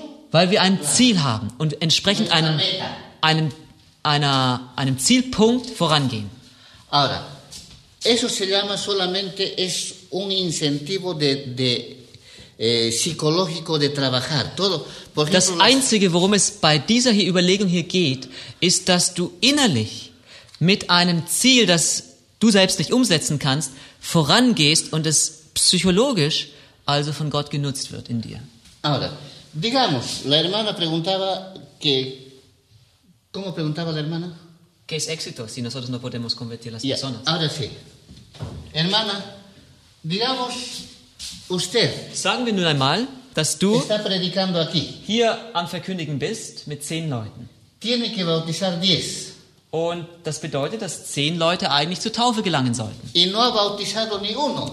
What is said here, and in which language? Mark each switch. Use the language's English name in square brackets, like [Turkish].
[German] Weil wir ein Ziel haben und entsprechend einem Zielpunkt vorangehen. [Spanish] Ahora, eso se llama solamente es un incentivo de psicológico de trabajar. Todo, por ejemplo, [German] das Einzige, worum es bei dieser hier Überlegung hier geht, ist, dass du innerlich mit einem Ziel, das du selbst nicht umsetzen kannst, vorangehst und es psychologisch, also von Gott genutzt wird in dir. [Spanish] Ahora, digamos, la hermana preguntaba que... ¿Cómo preguntaba la hermana? ¿Qué es éxito si nosotros no podemos convertir las personas? Ahora sí. Hermana, digamos... Usted, [German] sagen wir nun einmal, dass du [Spanish] está predicando aquí. [German] Hier am Verkündigen bist mit 10 Leuten. [Spanish] Tiene que bautizar 10. [German] Und das bedeutet, dass 10 Leute eigentlich zur Taufe gelangen sollten. [Spanish] Y no ha bautizado ni uno.